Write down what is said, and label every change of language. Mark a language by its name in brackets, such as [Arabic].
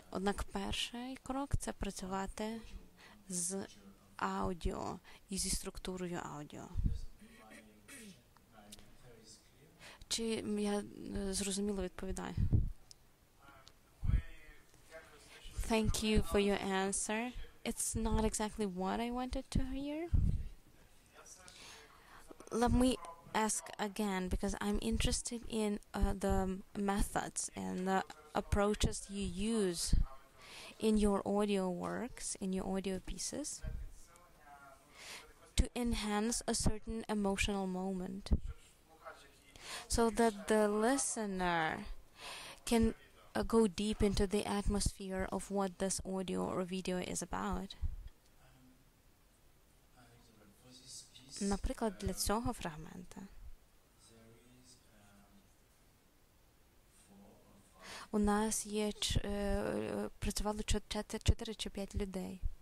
[Ukrainian] Однак перший крок – це працювати з аудіо і зі структурою аудіо. Чи я зрозуміло відповідаю? [English] Thank you for your answer. It's not exactly what I wanted to hear. Let me ask again, because I'm interested in the methods and the approaches you use in your audio works, in your audio pieces. To enhance a certain emotional moment so that the listener can go deep into the atmosphere of what this audio or video is about. [Ukrainian] Наприклад, для цього фрагмента у нас є працювало 4 чи 5 людей.